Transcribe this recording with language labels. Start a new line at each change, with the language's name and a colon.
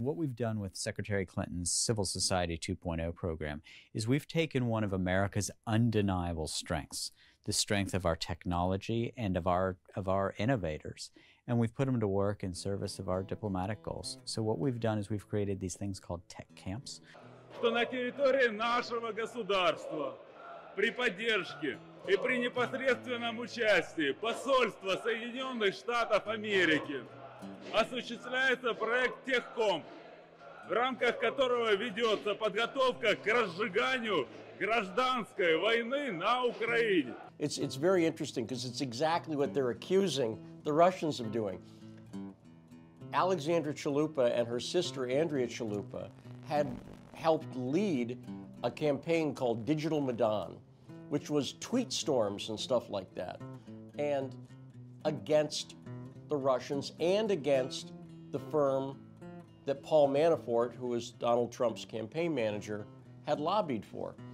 English: What we've done with Secretary Clinton's Civil Society 2.0 program is we've taken one of America's undeniable strengths, the strength of our technology and of our innovators, and we've put them to work in service of our diplomatic goals. So what we've done is we've created these things called tech camps.
Russian: Что на території нашого государства при поддержке и при непосредственном участии посольства Соединенных Штатов Америки осуществляется проект Техком, в рамках которого ведется подготовка к разжиганию гражданской войны на Украине.
English: It's very interesting because it's exactly what they're accusing the Russians of doing. Alexandra Chalupa and her sister Andrea Chalupa had helped lead a campaign called Digital Maidan, which was tweet storms and stuff like that, and against the Russians and against the firm that Paul Manafort, who was Donald Trump's campaign manager, had lobbied for.